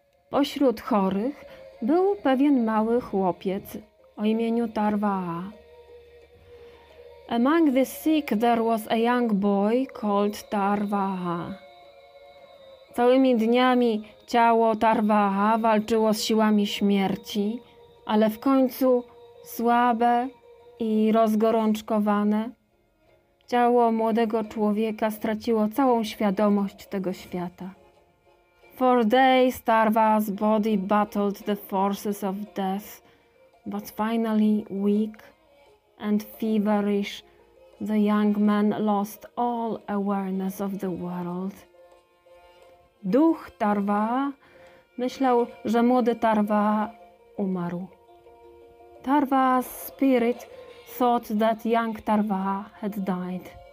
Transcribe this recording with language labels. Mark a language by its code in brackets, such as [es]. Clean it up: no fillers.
[pl] Pośród chorych był pewien mały chłopiec o imieniu Tarwaa. [en] Among the sick there was a young boy called Tarwaa. [pl] Całymi dniami ciało Tarwaa walczyło z siłami śmierci, ale w końcu słabe i rozgorączkowane, ciało młodego człowieka straciło całą świadomość tego świata. [en] For days, Tarwa's body battled the forces of death, but finally, weak and feverish, the young man lost all awareness of the world. [pl] Duch Tarwa myślał, że młody Tarwa umarł. [en] Tarwa's spirit thought that young Tarwa had died.